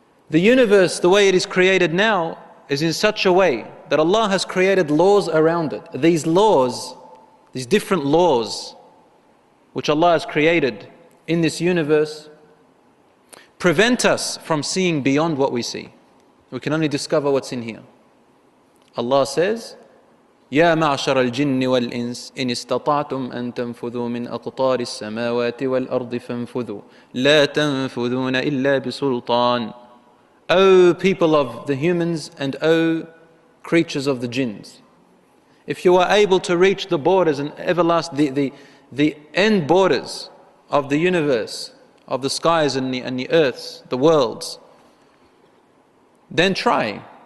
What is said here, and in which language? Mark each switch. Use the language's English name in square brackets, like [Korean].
[English] The universe, the way it is created now, is in such a way that Allah has created laws around it. These laws, these different laws, which Allah has created in this universe, prevent us from seeing beyond what we see. We can only discover what's in here. Allah says, [Arabic] يَا مَعْشَرَ الْجِنِّ وَالْإِنسِ إِنِ اسْتَطَعْتُمْ أَن تَنْفُذُوا مِنْ أَقْطَارِ السَّمَاوَاتِ وَالْأَرْضِ فَانْفُذُوا لَا تَنْفُذُونَ إِلَّا بِسُلْطَانِ. [English] O people of the humans and O creatures of the jinns, if you are able to reach the borders and everlasting, the end borders of the universe, of the skies and the earths, the worlds, then try.